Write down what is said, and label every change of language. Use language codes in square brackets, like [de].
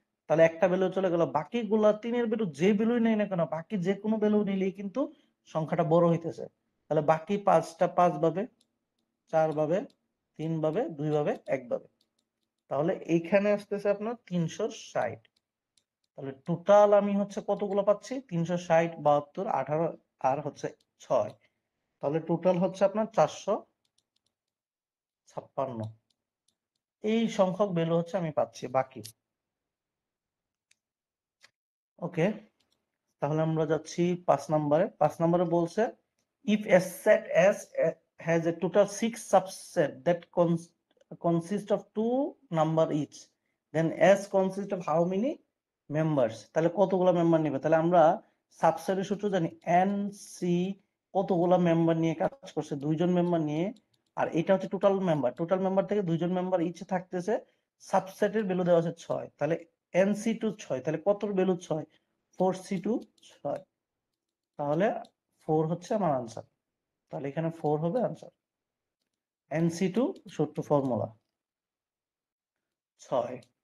[bn] তাহলে একটা বেলু চলে গেল, বাকি গুলা 3 এর বেলু যে বেলুই নেই না কেন, বাকি যে কোনো বেলু নিলেই কিন্তু সংখ্যাটা বড় হইতেছে, তাহলে বাকি 5টা 5 ভাবে, 4 ভাবে, 3 ভাবে, 2 ভাবে, 1 ভাবে, তাহলে এইখানে আসতেছে আপনার 360, তাহলে টোটাল আমি হচ্ছে কতগুলো পাচ্ছি, 360, 72, 18 আর হচ্ছে 6, তাহলে টোটাল হচ্ছে আপনার 456, এই সংখ্যক বেলু হচ্ছে আমি পাচ্ছি বাকি। ওকে, তাহলে আমরা যাচ্ছি 5 নম্বরে, 5 নম্বরে বলছে [en] If a set S has a total six subset that consist of two number each, then S consist of how many members? [bn] তাহলে কতগুলো মেম্বার নিবে? তাহলে আমরা সাবসেটের সূত্র জানি, এন সি কতগুলো মেম্বার নিয়ে কাজ করছে, দুইজন মেম্বার নিয়ে, আর এটা হচ্ছে টোটাল মেম্বার, টোটাল মেম্বার থেকে দুইজন মেম্বার ইচ্ছে থাকতেছে, সাবসেটের ভ্যালু দেওয়া আছে ছয়, তাহলে এন সি টু ছয়, তাহলে কত ভ্যালু ছয়, ফোর সি টু ছয়, তাহলে ফোর হচ্ছে আমার আনসার, তাহলে এখানে ফোর হবে আনসার, এন সি টু সূত্র ফর্মুলা ছয়।